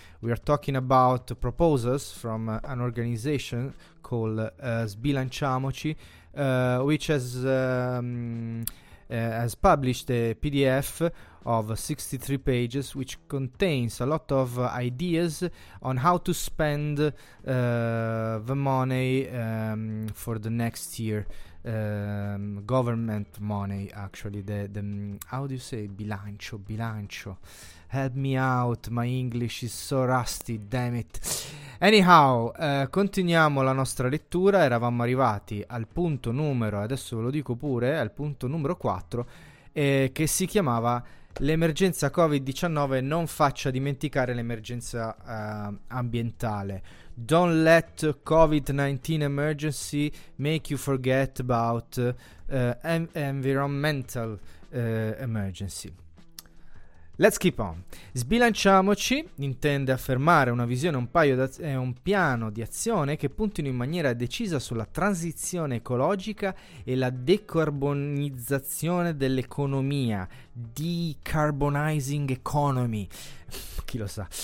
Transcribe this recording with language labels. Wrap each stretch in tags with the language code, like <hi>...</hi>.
<en>We are talking about proposals from an organization called Sbilanciamoci, which has published a PDF of 63 pages, which contains a lot of ideas on how to spend the money for the next year. Government money, actually, the how do you say bilancio, help me out, my English is so rusty, damn it.</en> <it>Anyhow, continuiamo la nostra lettura. Eravamo arrivati al punto numero, adesso ve lo dico pure, al punto numero 4, che si chiamava l'emergenza Covid-19 non faccia dimenticare l'emergenza ambientale.</it> <en>Don't let Covid-19 emergency make you forget about environmental emergency. Let's keep on.</en> <it>Sbilanciamoci intende affermare una visione, un piano di azione che puntino in maniera decisa sulla transizione ecologica e la decarbonizzazione dell'economia.</it> <en>Decarbonizing economy.</en> <it>Chi lo sa?</it>